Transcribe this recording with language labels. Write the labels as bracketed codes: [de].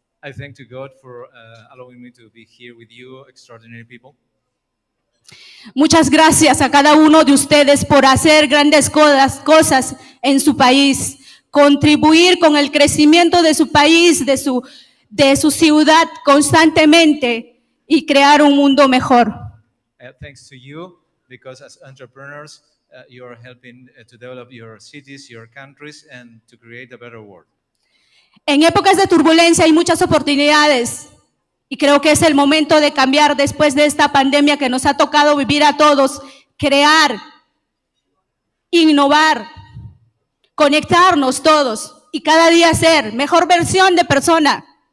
[en] I thank to God for allowing me to be here with you, extraordinary people. [es] Muchas gracias a cada uno de ustedes por hacer grandes cosas en su país, contribuir con el crecimiento de su país, de su ciudad constantemente y crear un mundo mejor. [en] Thanks to you, because as entrepreneurs, you are helping to develop your cities, your countries, and to create a better world. [es] En épocas de turbulencia hay muchas oportunidades, y creo que es el momento de cambiar después de esta pandemia que nos ha tocado vivir a todos, crear, innovar, conectarnos todos, y cada día ser mejor versión de persona.